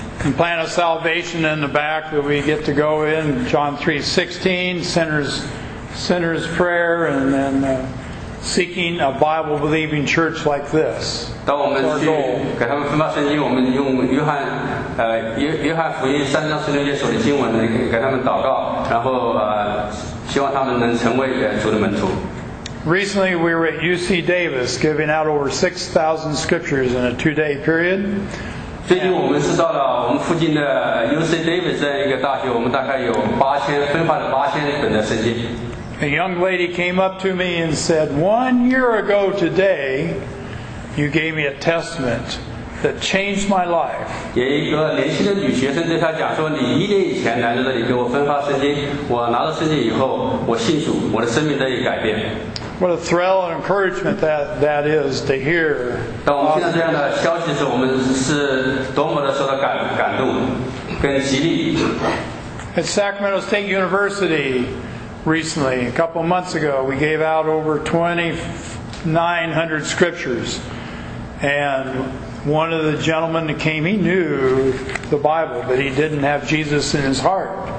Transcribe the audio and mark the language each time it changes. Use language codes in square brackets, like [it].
[en] And plan a salvation in the back that we get to go in John 3:16, sinner's prayer, and then seeking a Bible believing church like this. [zh] 当我们去给他们分发圣经，我们用约翰福音3:16所的经文给他们祷告，然后希望他们能成为主的门徒。 [en] Recently, we were at UC Davis giving out over 6,000 scriptures in a 2-day period. [zh] 最近我们是到了我们附近的 UC Davis 这样一个大学，我们大概有分发了八千本的圣经。 [en] A young lady came up to me and said, "One year ago today." You gave me a testament that changed my life. [zh] 有一个年轻的女学生对她讲说：“你一年以前来到这里给我分发圣经，我拿到圣经以后，我信主，我的生命得以改变。” [en] What a thrill and encouragement that is to hear. [zh] 当我们听到这样的消息的时候，我们是多么的受到感动，跟激励。 [en] At Sacramento State University, recently, a couple months ago, we gave out over 900 scriptures, and one of the gentlemen that came, he knew the Bible, but he didn't have Jesus in his heart.